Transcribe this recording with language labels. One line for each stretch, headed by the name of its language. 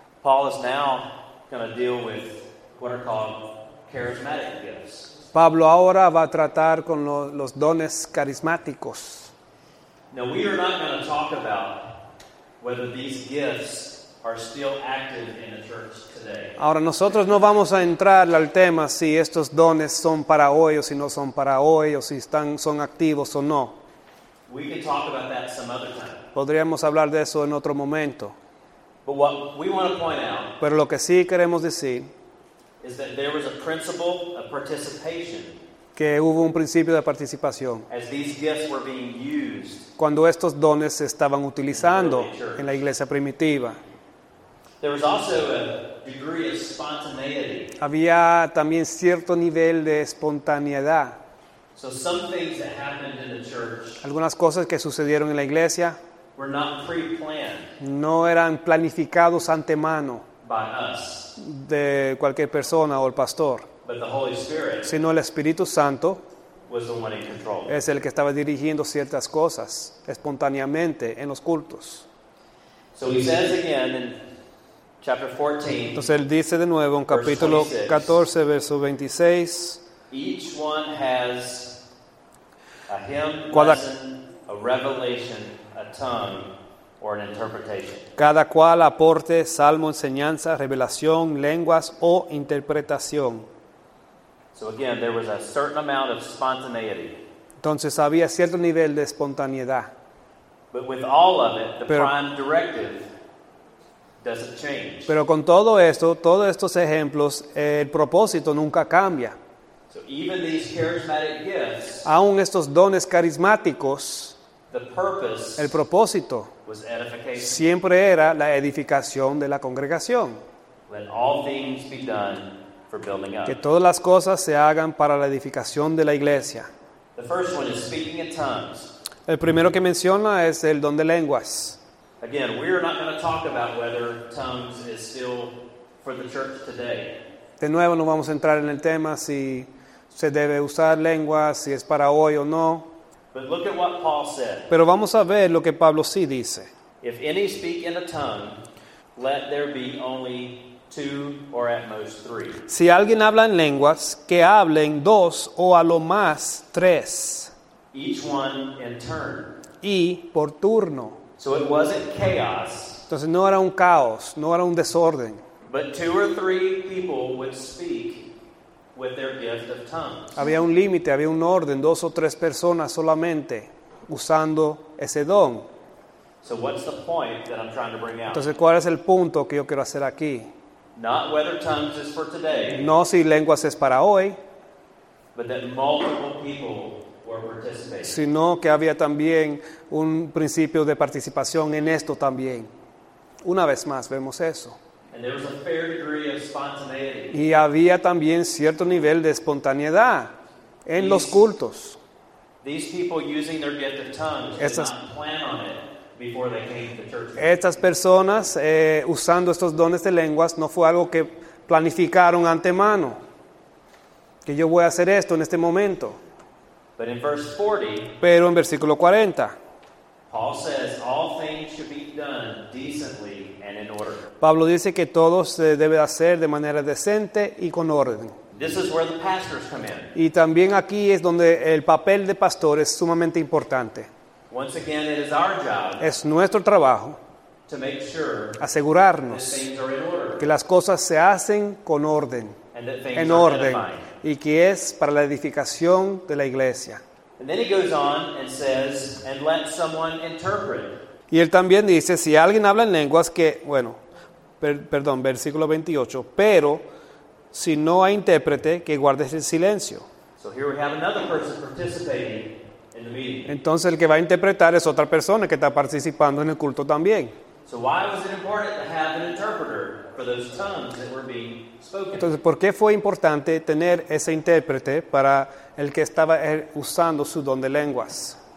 English: Paul is now going to deal with what are called charismatic gifts.
Spanish: Pablo ahora va a tratar con los dones carismáticos.
English: Now we are not going to talk about whether these gifts are still active in the church today.
Spanish: Ahora nosotros no vamos a entrar al tema si estos dones son para hoy o si no son para hoy o si están son activos o no.
English: We can talk about that some other time.
Spanish: Podríamos hablar de eso en otro momento.
English: But what we want to point out.
Spanish: Pero lo que sí queremos decir
English: is that there was a principle of participation.
Spanish: Que hubo un principio de participación.
English: As these gifts were being used.
Spanish: Cuando estos dones se estaban utilizando en la iglesia primitiva.
English: There was also a degree of spontaneity.
Spanish: Había también cierto nivel de espontaneidad.
English: So some things that happened in the church.
Spanish: Algunas cosas que sucedieron en la iglesia.
English: Were not pre-planned.
Spanish: No eran planificados antemano.
English: By us.
Spanish: De cualquier persona o el pastor,
English: but the Holy Spirit,
Spanish: sino el Espíritu Santo
English: was the one in control.
Spanish: Es el que estaba dirigiendo ciertas cosas espontáneamente en los cultos.
English: So he says again in chapter 14,
Spanish: entonces él dice de nuevo en capítulo
English: 26,
Spanish: 14, verso 26,
English: each one has a hymn,
Spanish: cada,
English: lesson, a revelation, a tongue. Or an interpretation.
Spanish: Cada cual aporte salmo, enseñanza, revelación, lenguas o interpretación.
English: So again, there was a certain amount of spontaneity.
Spanish: Entonces había cierto nivel de espontaneidad.
English: But with all of it, the prime directive doesn't change.
Spanish: Pero con todo esto, todos estos ejemplos, el propósito nunca cambia.
English: So even these charismatic gifts,
Spanish: aún estos dones carismáticos,
English: the purpose,
Spanish: el propósito,
English: was edification.
Spanish: Siempre era la edificación de la congregación.
English: Let all things be done for building up.
Spanish: Que todas las cosas se hagan para la edificación de la iglesia.
English: The first one is speaking in tongues.
Spanish: El primero que menciona es el don de lenguas.
English: Again, we are not going to talk about whether tongues is still for the church today.
Spanish: De nuevo, no vamos a entrar en el tema si se debe usar lenguas, si es para hoy o no.
English: But look at what Paul said.
Spanish: Pero vamos a ver lo que Pablo sí dice.
English: If any speak in a tongue, let there be only two or at most three.
Spanish: Si alguien habla en lenguas, que hablen dos o a lo más tres.
English: Each one in turn.
Spanish: Y por turno.
English: So it wasn't chaos.
Spanish: Entonces no era un caos, no era un desorden.
English: But two or three people would speak with their gift of tongues.
Spanish: Había un límite, había un orden, dos o tres personas solamente usando ese don.
English: So what's the point that I'm trying to bring out?
Spanish: Entonces, ¿cuál es el punto que yo quiero hacer aquí?
English: Not whether tongues is for today.
Spanish: No si lenguas es para hoy.
English: But that multiple people were participating.
Spanish: Sino que había también un principio de participación en esto también. Una vez más vemos eso.
English: And there was a fair degree of spontaneity.
Spanish: Y había también cierto nivel de espontaneidad en los cultos.
English: These people using their gift of tongues did not plan on it before they came to church.
Spanish: Estas personas usando estos dones de lenguas no fue algo que planificaron antemano. Que yo voy a hacer esto en este momento.
English: But in verse 40,
Spanish: pero en versículo 40,
English: Paul says all things should be done decently.
Spanish: Pablo dice que todo se debe hacer de manera decente y con orden.
English: This is where the pastors come in.
Spanish: Y también aquí es donde el papel de pastor es sumamente importante.
English: Once again, it is our job,
Spanish: es nuestro trabajo
English: to make sure
Spanish: asegurarnos
English: that things are in order,
Spanish: que las cosas se hacen con orden,
English: and that things
Spanish: en
English: are
Spanish: orden,
English: edifying.
Spanish: Y que es para la edificación de la iglesia.
English: And then he goes on and says, and let someone interpret.
Spanish: Y él también dice, si alguien habla en lenguas que, bueno, perdón, versículo 28, pero si no hay intérprete, que guardes el silencio.
English: So here we have another person participating in the meeting.
Spanish: Entonces el que va a interpretar es otra persona que está participando en el culto también.
English: So why was it important to have an interpreter for those tongues that were being spoken?
Spanish: Entonces, ¿por qué fue importante tener ese intérprete para el que estaba usando su don de lenguas?